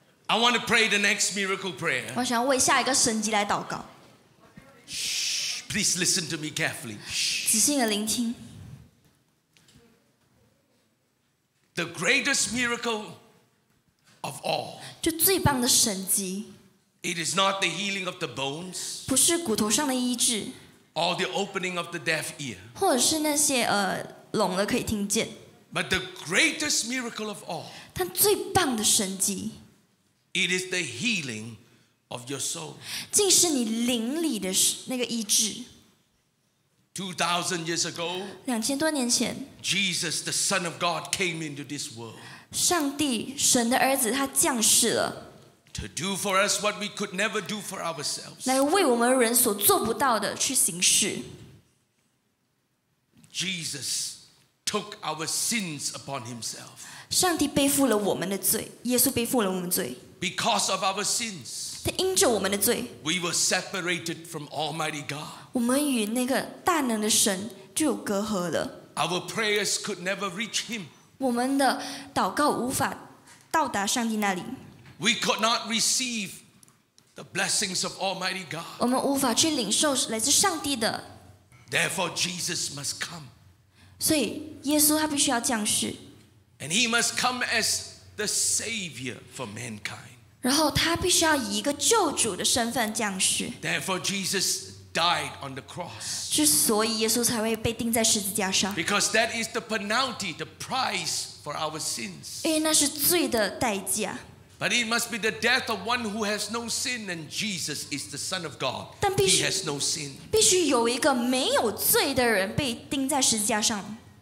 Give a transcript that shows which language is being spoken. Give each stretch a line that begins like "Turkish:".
English: I want to pray the next miracle prayer.
Chinese: 我想为下一个神迹来祷告。
English: Shh, please listen to me carefully. Shh.
Chinese: 仔细的聆听。
English: The greatest miracle of all.
Chinese: 就最棒的神迹。
English: It is not the healing of the bones.
Chinese: 不是骨头上的医治。
English: Or the opening of the deaf ear.
Chinese: 或者是那些聋了可以听见。
English: But the greatest miracle of all.
Chinese: 但最棒的神迹。
English: It is the healing of your soul.
Chinese: 竟是你灵里的那个医治。
English: 2,000 years ago,
Chinese: 两千多年前
English: ，Jesus, the Son of God, came into this world.
Chinese: 上帝，神的儿子，他降世了。
English: To do for us what we could never do for ourselves.
Chinese: 来为我们人所做不到的去行事。
English: Jesus took our sins upon himself.
Chinese: 上帝背负了我们的罪，耶稣背负了我们的罪。
English: Because of our sins,
Chinese: 他因着我们的罪
English: we were separated from Almighty God.
Chinese: 我们与那个大能的神就有隔阂了
English: Our prayers could never reach Him.
Chinese: 我们的祷告无法到达上帝那里
English: We could not receive the blessings of Almighty God.
Chinese: 我们无法去领受来自上帝的
English: Therefore, Jesus must come.
Chinese: 所以耶稣他必须要降世
English: And He must come as The Savior for mankind.
Chinese: 然后他必须要以一个救主的身份降世。
English: Therefore, Jesus died on the cross.
Chinese: 之所以耶稣才会被钉在十字架上。
English: Because that is the penalty, the price for our sins.
Chinese: 因为那是罪的代价。
English: But it must be the death of one who has no sin, and Jesus is the Son of God.
Chinese: 但必须
English: He has no sin.
Chinese: 必须有一个没有罪的人被钉在十字架上。